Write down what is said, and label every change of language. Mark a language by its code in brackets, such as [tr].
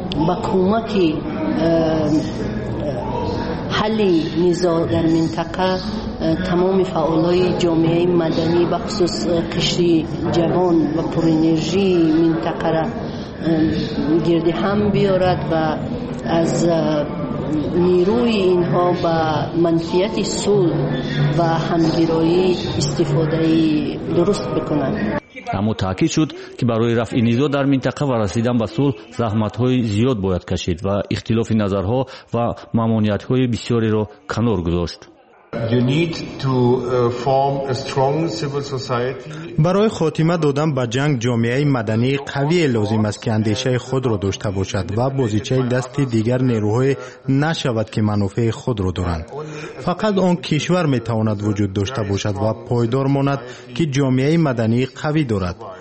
[fa] با کمک حل نزاع در منطقه تمام فعالای جامعه مدنی و خصوص قشری جوان و پر انرژی منطقه را گرد هم بیارد و از نیروی اینها با منفیت صلح و همگرایی استفاده درست بکنند. اما تاکید شد که برای رفع نزاع در منطقه و رسیدن به صلح زحمت های زیاد باید کشید و اختلاف نظرها و ممانعت های بسیاری را کنار گذاشت. [en] You need to form a strong civil society. [fa] برای خاتمه دادن به جنگ جامعه مدنی قوی لازم است که اندیشه خود را داشته باشد و بازیچه دست دیگر نیروهای نشود که منافع خود را دارند. فقط آن کشور می تواند وجود داشته باشد و پایدار ماند که جامعه مدنی قوی دارد.